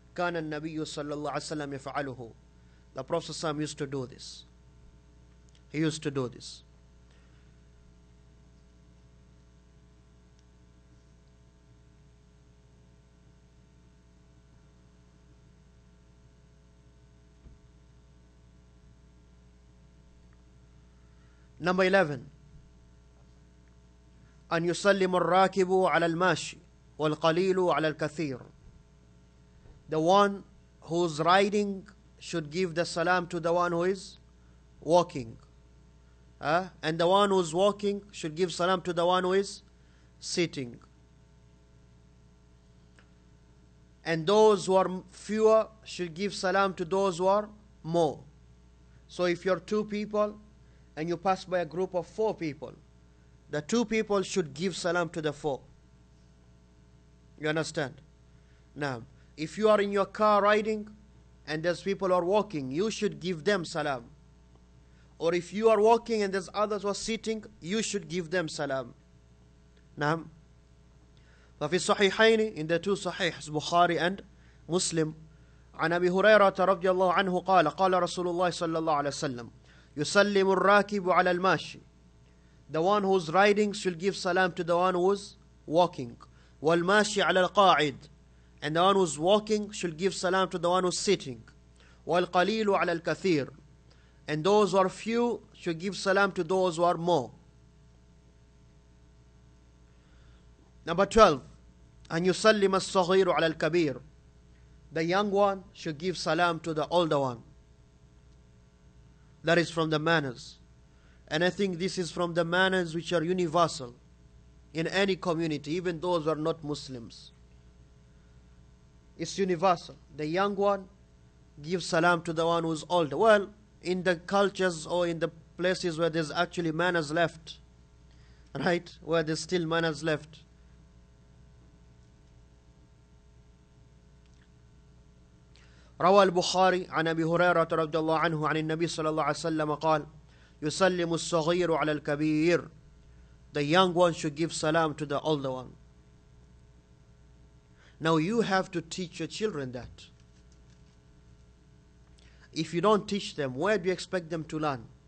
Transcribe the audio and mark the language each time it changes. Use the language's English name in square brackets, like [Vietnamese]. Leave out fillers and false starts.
[Arabic] كان النبي صلى الله عليه وسلم يفعله. [English] The Prophet used to do this. He used to do this. Number 11. [Arabic] أن يسلم الراكب على الماشي والقليل على الكثير. [English] The one who's riding should give the salam to the one who is walking. And the one who's walking should give salam to the one who is sitting. And those who are fewer should give salam to those who are more. So if you're two people and you pass by a group of four people, the two people should give salam to the four. You understand? Now, if you are in your car riding and there's people who are walking, you should give them salam. Or if you are walking and there's others who are sitting, you should give them salam. Naam. [Arabic] ففي الصحيحين [English] in the two [Arabic] صحيح [English] Bukhari and Muslim [Arabic] عن أبي هريرة رضي الله عنه قال قال رسول الله صلى الله عليه وسلم يسلم الراكب على الماشي. [English] The one who's riding should give salam to the one who's walking. [Arabic] والماشي على القاعد. [English] And the one who's walking should give salam to the one who's sitting. [Arabic] والقليل على الكثير. [English] And those who are few should give salam to those who are more. Number 12. [Arabic] أن يسلم الصغير على الكبير. [English] The young one should give salam to the older one. That is from the manners. And I think this is from the manners which are universal in any community, even those who are not Muslims. It's universal. The young one gives salam to the one who's older. Well, in the cultures or in the places where there's actually manners left, right? Where there's still manners left. [Arabic] روى البخاري عن أبي هريرة رضي الله عنه عن النبي صلى الله عليه وسلم قال يسلم الصغير على الكبير. [English] The young one should give salam to the older one. Now you have to teach your children that. If you don't teach them, where do you expect them to learn?